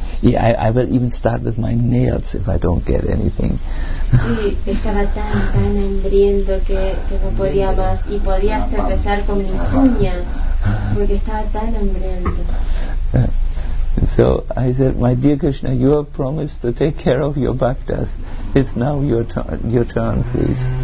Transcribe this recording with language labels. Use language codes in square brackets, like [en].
[en] Yeah, I will even start with my nails if I don't get anything. [es] Y estaba tan hambriento que no podía más, y podía hasta empezar con mis uñas porque estaba tan hambriento. [en] So I said, my dear Krishna, you have promised to take care of your bhaktas. It's now your turn, please.